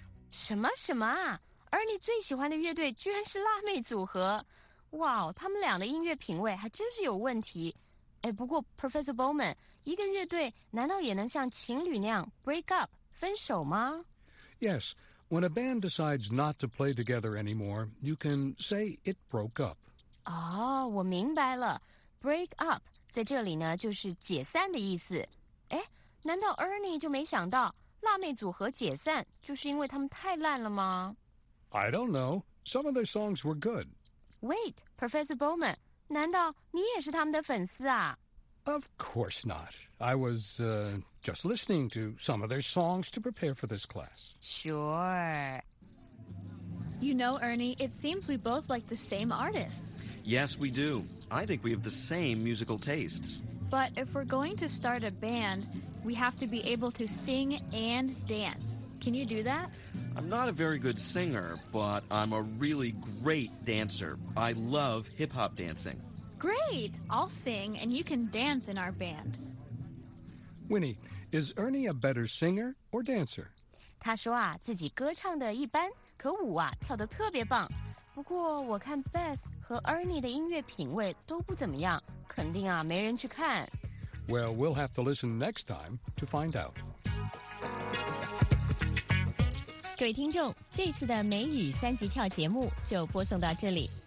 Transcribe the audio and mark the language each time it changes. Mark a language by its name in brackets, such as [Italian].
[Chinese] 什么什么啊？而你最喜欢的乐队居然是辣妹组合。哇，他们俩的音乐品味还真是有问题。哎，不过 Professor Bowman, 一个乐队难道也能像情侣那样 break up, 分手吗？ [English] Yes, when a band decides not to play together anymore, you can say it broke up. [Chinese] 哦，我明白了。 Break up 在这里呢，就是解散的意思。哎，难道 Ernie 就没想到辣妹组合解散，就是因为他们太烂了吗 [English] ？I don't know. Some of their songs were good. [Chinese] Wait, Professor Bowman, 难道你也是他们的粉丝啊 [English] ？Of course not. I was, just listening to some of their songs to prepare for this class. Sure. You know, Ernie, it seems we both like the same artists. Yes, we do. I think we have the same musical tastes. But if we're going to start a band, we have to be able to sing and dance. Can you do that? I'm not a very good singer, but I'm a really great dancer. I love hip-hop dancing. Great! I'll sing, and you can dance in our band. Winnie, is Ernie a better singer or dancer? [Chinese] 他说啊，自己歌唱的一般。可舞啊，跳得特别棒。不过我看 Beth 和 Ernie 的音乐品味都不怎么样，肯定啊，没人去看。 [English] Well, we'll have to listen next time to find out. [Chinese] 各位听众，这次的美语三级跳节目就播送到这里。